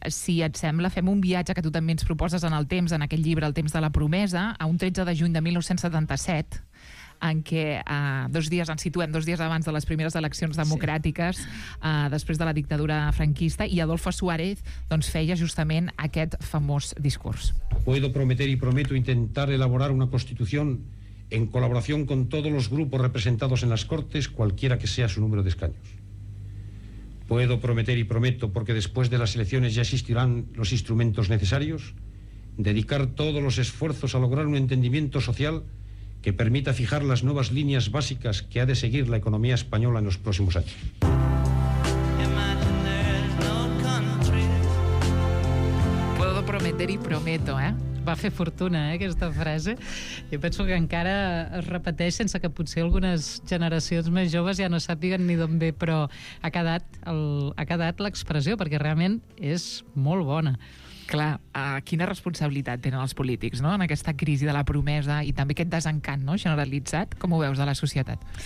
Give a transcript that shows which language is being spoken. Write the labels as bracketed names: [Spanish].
[Catalan] Si et sembla, fem un viatge que tu també ens proposes en el temps, en aquest llibre, El temps de la promesa, a un 13 de juny de 1977, en què dos dies abans de les primeres eleccions democràtiques, després de la dictadura franquista, i Adolfo Suárez, doncs, feia justament aquest famós discurs. [Spanish] Puedo prometer y prometo intentar elaborar una constitución en colaboración con todos los grupos representados en las Cortes, cualquiera que sea su número de escaños. Puedo prometer y prometo, porque después de las elecciones ya existirán los instrumentos necesarios, dedicar todos los esfuerzos a lograr un entendimiento social que permita fijar las nuevas líneas básicas que ha de seguir la economía española en los próximos años. Puedo prometer y prometo, ¿eh? [Catalan] va fer fortuna, aquesta frase. Jo penso que encara es repeteix sense que potser algunes generacions més joves ja no sàpiguen ni d'on ve, però ha quedat l'expressió, perquè realment és molt bona. Clar, quina responsabilitat tenen els polítics, no?, en aquesta crisi de la promesa i també aquest desencant, no?, generalitzat, com ho veus, de la societat?